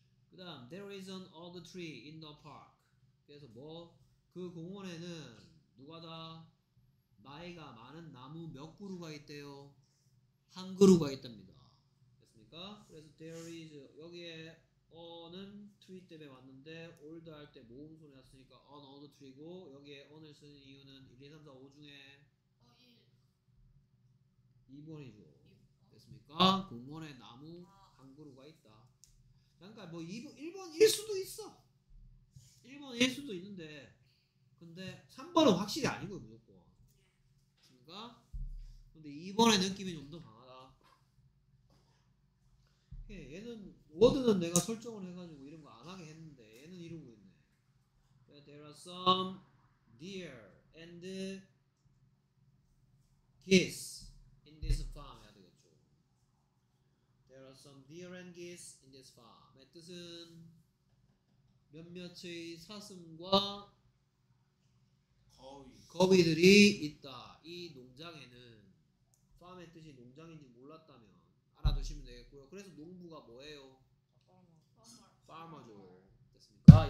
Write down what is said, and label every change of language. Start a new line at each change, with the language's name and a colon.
English: 그다음 there is an old tree in the park.
Korean: 그래서 뭐 그 공원에는 누가 다 나이가 많은 나무 몇 그루가 있대요. 한 그루가 있답니다. 됐습니까? 그래서 there is 여기에 on은 tree 때문에 왔는데 old 할 때 모음 소리 났으니까 an old tree고 여기에 on을 쓰는 이유는 1, 2, 3, 4, 5 중에 2번이죠. 됐습니까? 공원에 나무 한 그루가 있다. 그러니까 뭐 2번, 1번일 수도 있어. 1번일 수도 있는데 근데 3번은 확실히 아니고요 무조건. 그러니까 근데 2번의 느낌이 좀 더 강하다. 얘는 워드는 내가 설정을 해가지고 이런 거 안 하게 했는데 얘는 이러고 있네.
English: There are some deer and geese in this farm 해야 되겠죠. There are some deer and geese in this farm.
Korean: 뜻은 몇몇의 사슴과 거위들이 있다. 이 농장에는 farm의 뜻이 농장인지 몰랐다면 알아두시면 되겠고요. 그래서 농부가 뭐예요? farmer죠. 됐습니까?